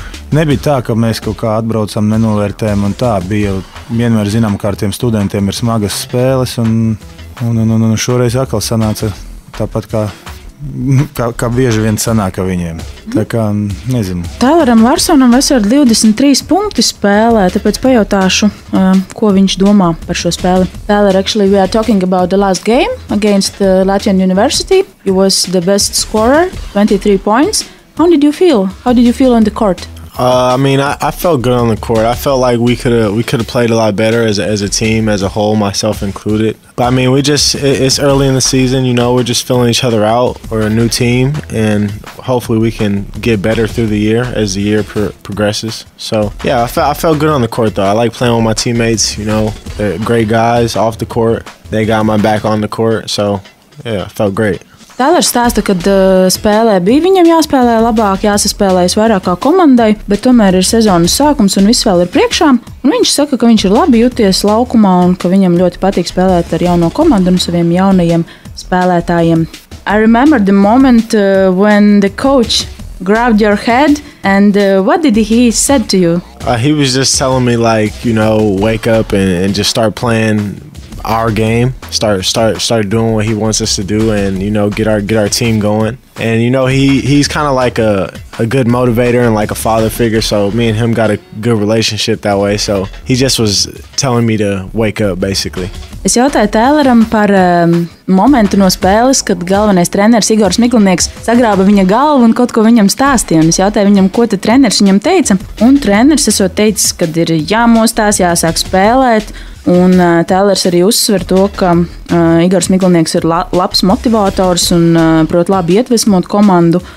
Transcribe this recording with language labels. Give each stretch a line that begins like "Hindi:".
Latvian: Nebija tā, ka mēs kaut kā atbraucam, nenovērtējam un tā, bija jau vienmēr zinām, kā ar tiem studentiem ir smagas spēles un Un šoreiz atkal sanāca tāpat kā bieži vien sanāka viņiem. Tā kā, nezinu. Tyleram Larsonam vesel 23 punkti spēlē, tāpēc pajautāšu, ko viņš domā par šo spēli.
English: Tyler, actually, we are talking about the last game against the Latvian University. You was the best scorer, 23 points. How did you feel? How did you feel on the court? I felt good on the court. I felt like we could have played a lot better as a team, as a whole, myself included. But I mean, it's early in the season, you know, we're just filling each other out. We're a new team, and hopefully we can get better through the year as the year progresses. So, yeah, I felt good on the court, though. I like playing with my teammates, you know, they're great guys off the court. They got my back on the court, so, yeah, I felt great.
Latvian: Tyler stāsta, ka spēlē bija viņam jāspēlē labāk, jāsaspēlējas vairāk kā komandai, bet tomēr ir sezonas sākums un viss vēl ir priekšā. Un viņš saka, ka viņš ir labi jūties laukumā un ka viņam ļoti patīk spēlēt ar jauno komandu un saviem jaunajiem spēlētājiem.
English: I remember the moment when the coach grabbed your head and what did he said to you? He was just telling me, like, you know, wake up and just start playing our game, start doing what he wants us to do, and, you know, get our team going. And, you know, he's kind of like a good motivator and like a father figure, so me and him got a good relationship that way, so he just was telling me to wake up, basically.
Latvian: Es jautāju Tyleram par momentu no spēles, kad galvenais treneris Igors Miglinieks sagrāba viņa galvu un kaut ko viņam stāstīja. Es jautāju viņam, ko te treneris viņam teica, un treneris esot teicis, kad ir jāmostās, jāsāk spēlēt, Un Tēlers arī uzsver to, ka Igors Miglinieks ir labs motivators un prot labi ietvesmot komandu.